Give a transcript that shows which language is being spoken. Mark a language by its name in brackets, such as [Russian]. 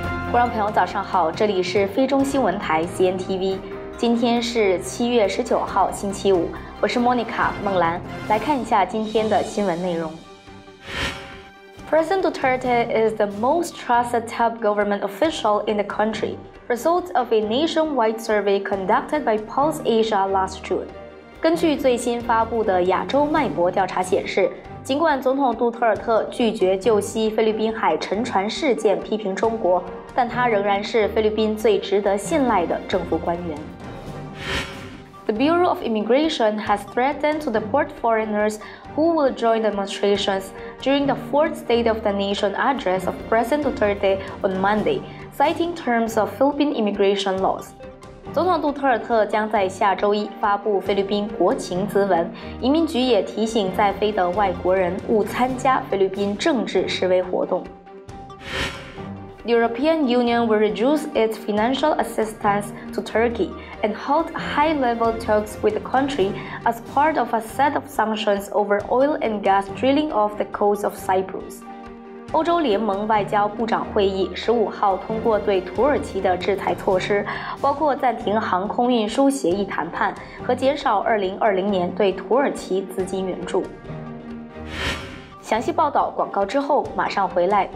[Chinese] 观众朋友早上好，这里是菲中新闻台 CNTV， 今天是7月19号星期五，我是 Monica 孟兰，来看一下今天的新闻内容。 [English] President Duterte is the most trusted top government official in the country. Results of a nationwide survey conducted by Pulse Asia last June. [Chinese] 根据最新发布的亚洲脉搏调查显示，尽管总统杜特尔特拒绝就西菲律宾海沉船事件批评中国，但他仍然是菲律宾最值得信赖的政府官员。 [English] The Bureau of Immigration has threatened to deport foreigners who will join demonstrations during the fourth State of the Nation address of President Duterte on Monday, citing terms of Philippine immigration laws. [Chinese] 总统杜特尔特将在下周一发布菲律宾国情咨文，移民局也提醒在菲的外国人勿参加菲律宾政治示威活动。 [English] The European Union will reduce its financial assistance to Turkey and hold high-level talks with the country as part of a set of sanctions over oil and gas drilling off the coast of Cyprus. [Chinese] 欧洲联盟外交部长会议15号通过对土耳其的制裁措施，包括暂停航空运输协议谈判和减少2020年对土耳其资金援助。详细报道广告之后马上回来。